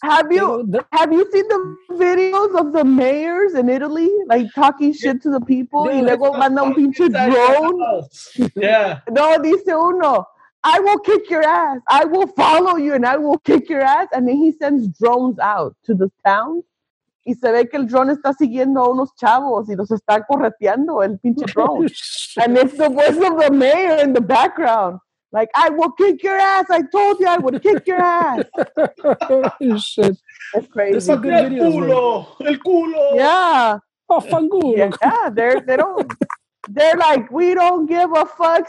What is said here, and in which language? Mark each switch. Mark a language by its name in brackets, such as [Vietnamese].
[English] Have you seen the videos of the mayors in Italy, like talking shit to the people? [Spanish] Dude, y luego manda un pinche drone. [English] Yeah. [Spanish] No, dice uno, [English] I will kick your ass. I will follow you and I will kick your ass. And then he sends drones out to the town. [Spanish] Y se ve que el drone está siguiendo a unos chavos y los está correteando el pinche drone. [English] And it's the voice of the mayor in the background. Like, I will kick your ass. I told you I would kick your ass. Shit. That's crazy. It's a good video. [Spanish] El culo. [English] Yeah. Oh, fangulo. Yeah, they're like, we don't give a fuck.